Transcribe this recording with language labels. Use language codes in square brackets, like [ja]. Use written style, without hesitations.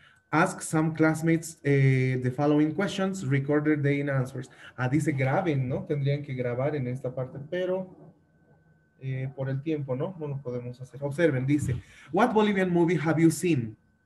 [en] Ask some classmates the following questions, record their day in answers. [es] Ah, dice graben, ¿no? Tendrían que grabar en esta parte, pero por el tiempo, ¿no? No lo podemos hacer. Observen, dice, [en] what Bolivian movie have you seen?